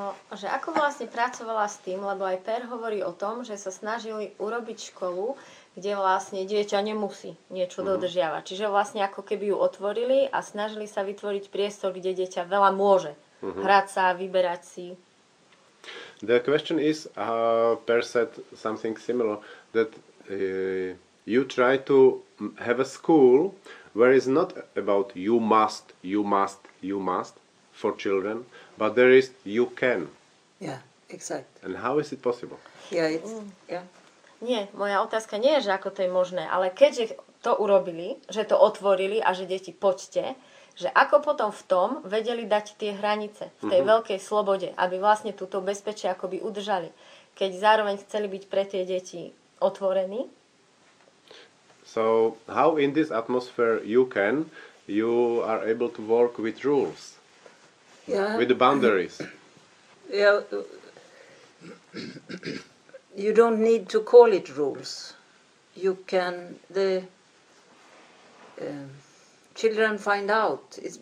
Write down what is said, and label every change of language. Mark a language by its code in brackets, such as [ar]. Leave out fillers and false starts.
[sk] Že ako vlastne pracovala s tým, lebo aj Per hovorí o tom, že sa snažili urobiť školu, kde vlastne dieťa nemusí niečo mm-hmm. dodržiavať. Čiže vlastne ako keby ju otvorili a snažili sa vytvoriť priestor, kde dieťa veľa môže mm-hmm. hrať sa, vyberať si. [en] The question is, Per said something similar, that you try to have a school where it's not about you must for children, but there is you can. Yeah, exactly. And how is it possible? Yeah, it's, yeah. [sk] Nie, moja otázka nie je, že ako to je možné, ale keďže to urobili, že to otvorili a že deti poďte, že ako potom v tom vedeli dať tie hranice v tej mm-hmm. veľkej slobode, aby vlastne túto bezpečie akoby udržali. keď zároveň chceli byť pre tie deti otvorení. [en] So how in this atmosphere you are able to work with rules, yeah, with the boundaries. Yeah, you don't need to call it rules. You can, the children find out.